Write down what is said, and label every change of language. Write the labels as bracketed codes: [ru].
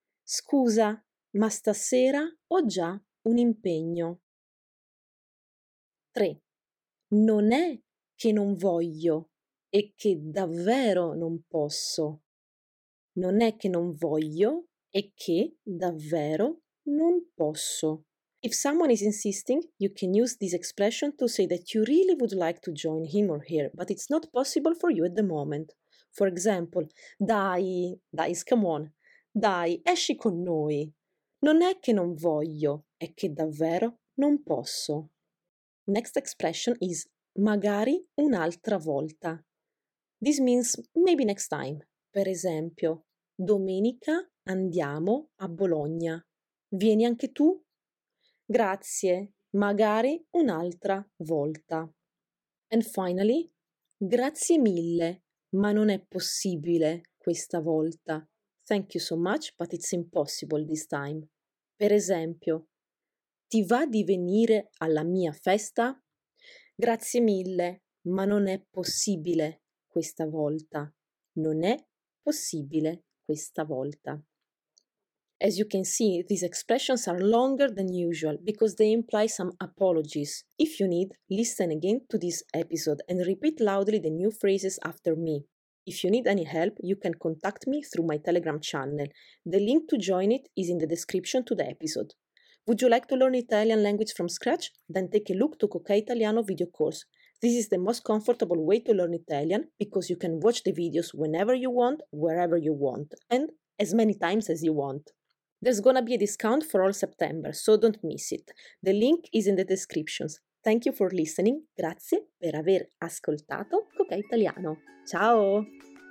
[it] Scusa, ma stasera ho già un impegno. 3. Non è che non voglio. E che davvero non posso. Non è che non voglio, e che davvero non posso. [en] If someone is insisting, you can use this expression to say that you really would like to join him or her, but it's not possible for you at the moment. For example, [it] dai, [en] come on, [it] dai, esci con noi. Non è che non voglio, e che davvero non posso. [en] Next expression is [it] magari un'altra volta. [en] This means maybe next time. [it] Per esempio, domenica andiamo a Bologna. Vieni anche tu? Grazie, magari un'altra volta. [en] And finally, [it] grazie mille, ma non è possibile questa volta. [en] Thank you so much, but it's impossible this time. [it] Per esempio, ti va di venire alla mia festa? Grazie mille, ma non è possibile. Questa volta. Non è possibile questa volta. [en] As you can see, these expressions are longer than usual because they imply some apologies. If you need, listen again to this episode and repeat loudly the new phrases after me. If you need any help, you can contact me through my Telegram channel. The link to join it is in the description to the episode. Would you like to learn Italian language from scratch? Then take a look to Kokai Italiano video course. This is the most comfortable way to learn Italian because you can watch the videos whenever you want, wherever you want, and as many times as you want. There's gonna be a discount for all September, so don't miss it. The link is in the descriptions. Thank you for listening. [it] Grazie per aver ascoltato [en] Kokai Italiano. [it] Ciao!